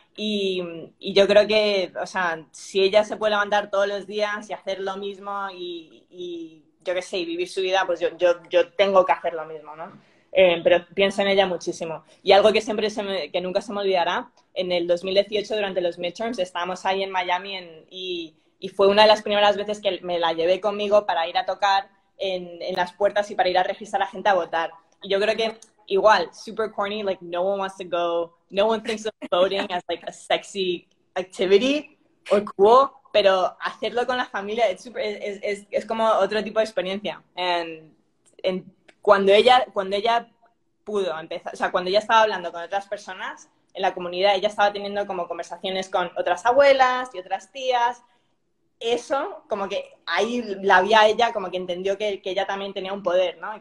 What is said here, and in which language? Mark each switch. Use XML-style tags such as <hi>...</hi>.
<es>Y yo creo que, o sea, si ella se puede levantar todos los días y hacer lo mismo y yo qué sé, y vivir su vida, pues yo tengo que hacer lo mismo, ¿no? Pero pienso en ella muchísimo. Y algo que siempre que nunca se me olvidará, en el 2018, durante los midterms, estábamos ahí en Miami y fue una de las primeras veces que me la llevé conmigo para ir a tocar en las puertas y para ir a registrar a la gente a votar. Y yo creo que, igual,</es> <en>super corny, like, no one wants to go. No one thinks of voting as like a sexy activity or cool,</en> <es>pero hacerlo con la familia es como otro tipo de experiencia. And cuando ella pudo empezar, o sea, cuando ella estaba hablando con otras personas en la comunidad, ella estaba teniendo como conversaciones con otras abuelas y otras tías, eso como que ahí la vi a ella como que entendió que ella también tenía un poder, ¿no?</es>